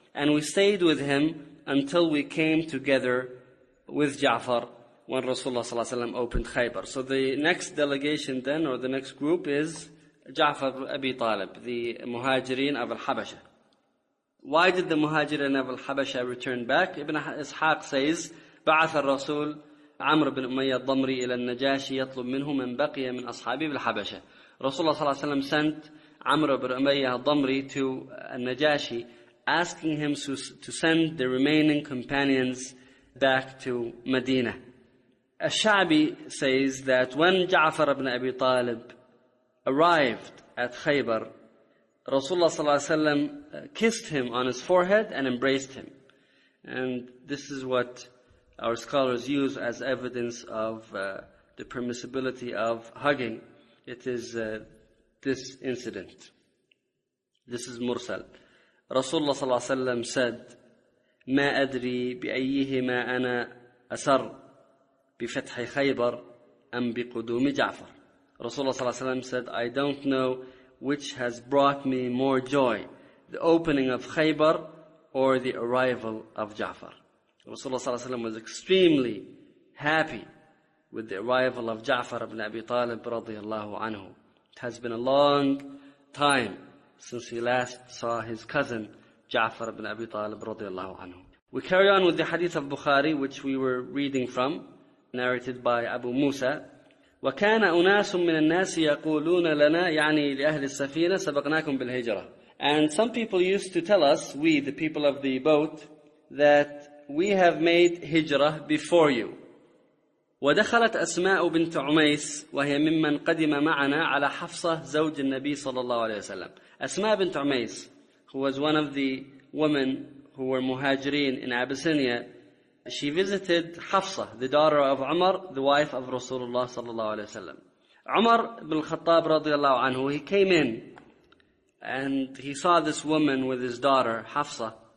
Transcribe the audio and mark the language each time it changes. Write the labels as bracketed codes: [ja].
[en] And we stayed with him until we came together with Ja'far when Rasulullah sallallahu alaihi wasallam opened Khaybar. So the next delegation then, or the next group, is Ja'far ibn Abi Talib, the Muhajirin of Al-Habasha. Why did the Muhajirin of Al-Habasha return back? [ar] Ibn Ishaq says, بعث الرسول عمرو بن أمية الضمري إلى النجاشي يطلب منه من بقي من أصحابه بالحبشة. [en] رسول الله صلى الله عليه وسلم sent عمرو بن أمية الضمري to النجاشي asking him to send the remaining companions back to Medina. الشعبي says that when جعفر بن أبي طالب arrived at Khaybar, رسول الله صلى الله عليه وسلم kissed him on his forehead and embraced him. And this is what our scholars use as evidence of the permissibility of hugging. It is this incident. This is Mursal. [ar] Rasulullah sallallahu alayhi wa sallam said, مَا أَدْرِي بِأَيِّهِمَا أَنَا أَسَرْ بِفَتْحِ خَيْبَرْ أَمْ بِقُدُومِ جَعْفَرْ. [en] Rasulullah sallallahu alayhi wa sallam said, I don't know which has brought me more joy, the opening of Khaybar or the arrival of Ja'far. Rasulullah sallallahu alayhi wa sallam was extremely happy with the arrival of Ja'far ibn Abi Talib radiyallahu anhu. It has been a long time since he last saw his cousin Ja'far ibn Abi Talib radiyallahu anhu. We carry on with the hadith of Bukhari, which we were reading from, narrated by Abu Musa. [ar] وَكَانَ أُنَاسٌ مِّنَ النَّاسِ يَقُولُونَ لَنَا يَعْنِي لِأَهْلِ السَّفِينَةِ سَبَقْنَاكُمْ بِالْهِجْرَةِ. [en] And some people used to tell us, we, the people of the boat, that we have made hijrah before you. [ar] ودخلت أسماء بنت عميس وهي ممن قدم معنا على حفصة زوج النبي صلى الله عليه وسلم. [en] أسماء بنت عميس, who was one of the women who were muhajirin in Abyssinia, she visited Hafsa, the daughter of Umar, the wife of Rasulullah صلى الله عليه وسلم. Umar ibn al-Khattab رضي الله عنه, he came in and he saw this woman with his daughter Hafsa.